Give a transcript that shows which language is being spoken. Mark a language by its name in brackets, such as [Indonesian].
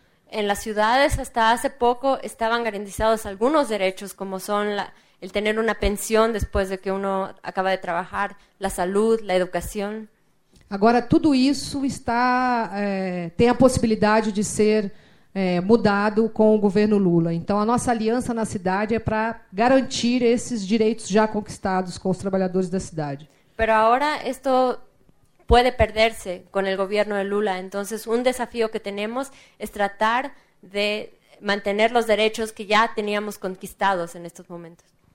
[Spanish] En las ciudades hasta hace poco estaban garantizados algunos derechos, como son el tener una pensión después de que uno acaba de trabajar, la salud, la educación. [Portuguese] Agora tudo isso está tem a possibilidade de ser mudado com o governo Lula. Então a nossa aliança na cidade é para garantir esses direitos já conquistados com os trabalhadores da cidade. [Spanish] Pero ahora esto puede perderse con el gobierno de Lula. Entonces, un desafío que tenemos es tratar de mantener los derechos que ya teníamos conquistados en estos momentos.